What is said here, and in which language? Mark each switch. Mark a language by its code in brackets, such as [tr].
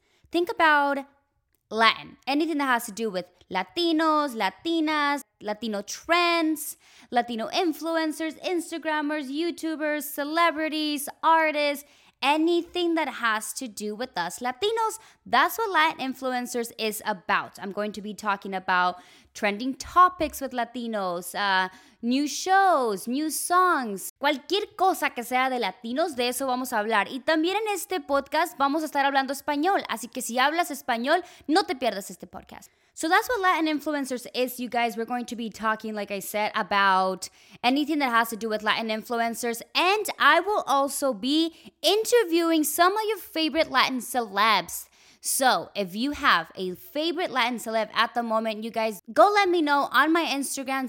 [en] Think about Latin, anything that has to do with Latinos, Latinas, Latino trends, Latino influencers, Instagrammers, YouTubers, celebrities, artists, anything that has to do with us Latinos. That's what Latin influencers is about. I'm going to be talking about trending topics with Latinos, new shows, new songs. [es] Cualquier cosa que sea de Latinos, de eso vamos a hablar. Y también en este podcast vamos a estar hablando español. Así que si hablas español, no te pierdas este podcast. [en] So that's what Latin influencers is, you guys. We're going to be talking, like I said, about anything that has to do with Latin influencers. And I will also be interviewing some of your favorite Latin celebs. So if you have a favorite Latin celeb at the moment, you guys, go let me know on my Instagram.